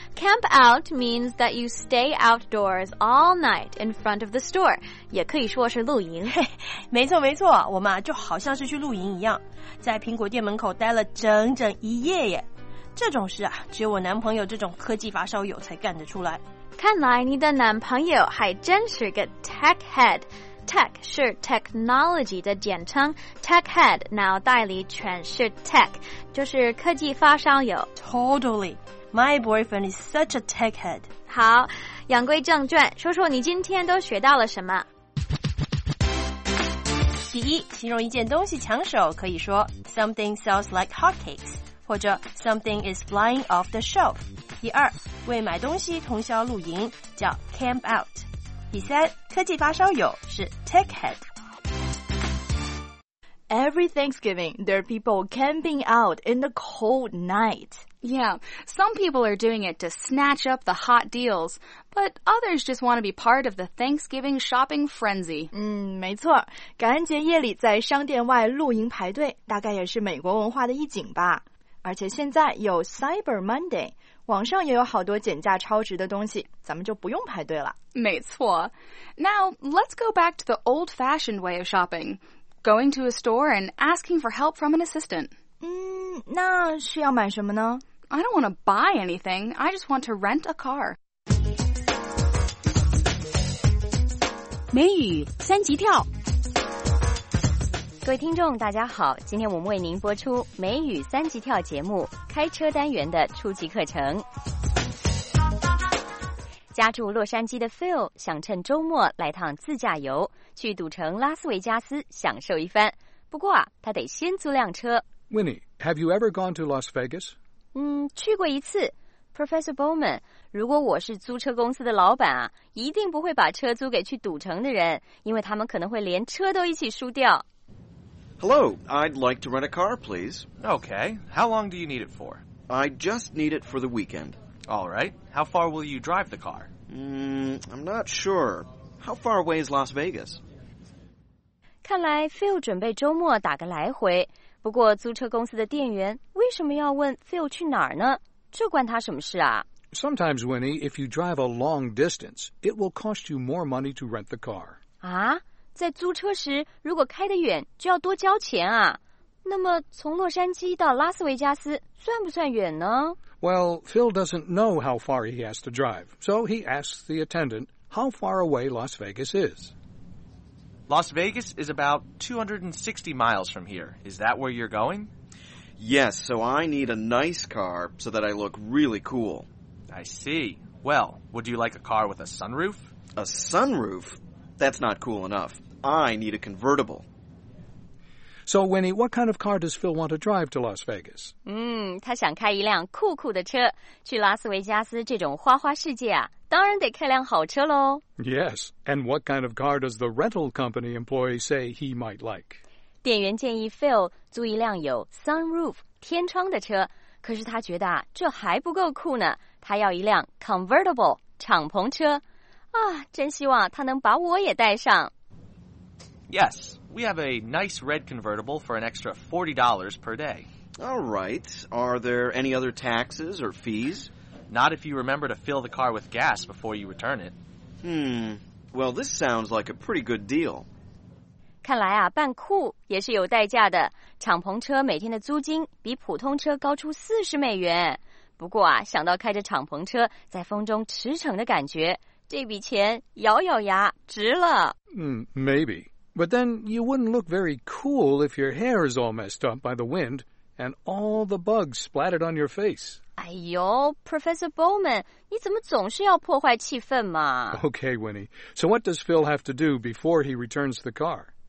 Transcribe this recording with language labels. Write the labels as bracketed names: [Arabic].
[English] Camp out means that you stay outdoors all night in front of the store. [Chinese] 也可以说是露营。没错没错，我们就好像是去露营一样，在苹果店门口待了整整一夜耶。这种事啊，只有我男朋友这种科技发烧友才干得出来。看来你的男朋友还真是个 tech head。 Tech 是 technology 的简称， tech head 脑袋里全是 tech， 就是科技发烧友。 [English] Totally. My boyfriend is such a tech head. [Chinese] 好，言归正传，说说你今天都学到了什么。第一，形容一件东西抢手可以说 [English] Something sells like hotcakes， [Chinese] 或者 [English] Something is flying off the shelf。 [Chinese] 第二，为买东西通宵露营叫 camp out。第三，科技发烧友是 tech head。 [English] Every Thanksgiving, there are people camping out in the cold night. Yeah, some people are doing it to snatch up the hot deals, but others just want to be part of the Thanksgiving shopping frenzy. [Chinese] 没错，感恩节夜里在商店外露营排队，大概也是美国文化的一景吧。而且现在有 Cyber Monday，网上也有好多减价超值的东西，咱们就不用排队了。没错。 [English] Now, let's go back to the old-fashioned way of shopping. Going to a store and asking for help from an assistant. [Chinese] 那是要买什么呢？ [English] I don't want to buy anything. I just want to rent a car. [Chinese] 美语三级跳。各位听众大家好，今天我们为您播出美语三级跳节目开车单元的初级课程。家住洛杉矶的 Phil 想趁周末来趟自驾游，去赌城拉斯维加斯享受一番，不过啊，他得先租辆车。 [English] Winnie, have you ever gone to Las Vegas? [Chinese] 去过一次。Professor Bowman, 如果我是租车公司的老板啊，一定不会把车租给去赌城的人，因为他们可能会连车都一起输掉。 [English] Hello, I'd like to rent a car, please. Okay, how long do you need it for? I just need it for the weekend. All right, how far will you drive the car? I'm not sure. How far away is Las Vegas? [Chinese] 看来 Phil 准备周末打个来回，不过租车公司的店员为什么要问 Phil 去哪儿呢？这关他什么事啊？ [English] Sometimes, Winnie, if you drive a long distance, it will cost you more money to rent the car. [Chinese] 在租车时如果开得远就要多交钱啊，那么从洛杉矶到拉斯维加斯算不算远呢？ [English] Well, Phil doesn't know how far he has to drive, so he asks the attendant how far away Las Vegas is. Las Vegas is about 260 miles from here. Is that where you're going? Yes, so I need a nice car so that I look really cool. I see. Well, would you like a car with a sunroof? A sunroof? That's not cool enough. I need a convertible. So, Winnie, what kind of car does Phil want to drive to Las Vegas? [Chinese] 他想开一辆酷酷的车。去拉斯维加斯这种花花世界啊，当然得开辆好车咯。 [English] Yes, and what kind of car does the rental company employee say he might like? [Chinese] 店员建议 Phil 租一辆有 sunroof, 天窗的车。可是他觉得这还不够酷呢。他要一辆 convertible, 敞篷车。真希望他能把我也带上。 [English] Yes, we have a nice red convertible for an extra $40 per day. All right, are there any other taxes or fees? Not if you remember to fill the car with gas before you return it. Well, this sounds like a pretty good deal. [Chinese] 看来啊，办库也是有代价的。敞篷车每天的租金比普通车高出$40。不过啊，想到开着敞篷车在风中驰骋的感觉，这笔钱咬咬牙值了。 [English] Maybe. But then you wouldn't look very cool if your hair is all messed up by the wind and all the bugs splattered on your face. [Chinese] 哎呦 ,Professor Bowman, 你怎么总是要破坏气氛嘛 [English] ?Okay, Winnie. So what does Phil have to do before he returns the car?